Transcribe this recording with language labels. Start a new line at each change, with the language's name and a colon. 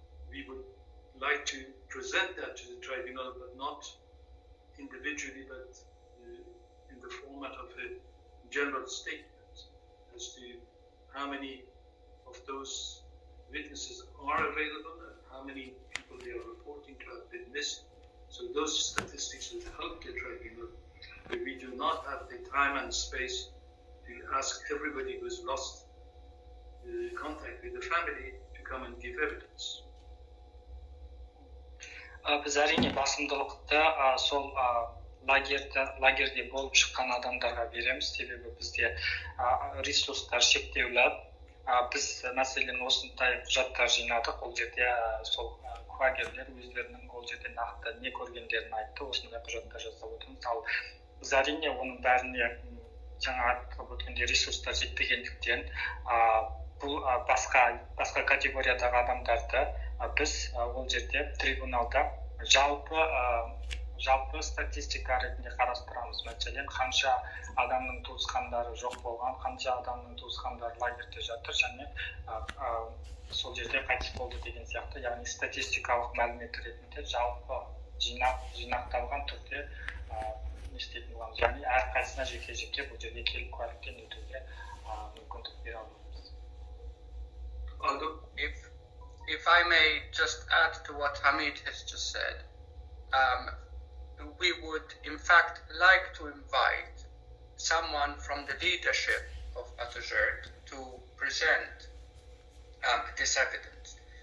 English: We would like to present that to the tribunal, but not individually, but in the format of a general statement as to how many of those witnesses are available and how many people they are reporting to have been missed. So those statistics would help the tribunal, but we do not have the time and space to ask everybody who has lost contact with the family to come and give evidence.
Kazakh: Біз әрине басымдылықты сол лагерде болып шыққан адамдарға береміз, себебі бізде ресурстар шектеулі. Біз мәселен осындай құжаттар жинадық, ол жерде сол куәгерлер өздерінің ол жерде нақты не көргендерін айтты, осындай құжаттар жасап отырмыз. Ал біз әрине оның бәріне жаңа айтып өткендей ресурстар жетпегендіктен бұл басқа категориядағы адамдарды біз ол жерде трибуналда жалпы жалпы статистика ретінде қарастырамыз. Мәселен, қанша адамның туысқандары жоқ болған, қанша адамның туысқандары лагерьте жатыр және сол жерде қайтыс болды деген сияқты, яғни статистикалық мәлімет ретінде жалпы жинақталған түрде істейтін боламыз. Яғни әрқайсысына жеке-жеке бұл жерде келіп куәліктен өтуге мүмкіндік бере аламыз.
English: If I may just add to what Hamid has just said, we would in fact like to invite someone from the leadership of Atajurt to present this evidence.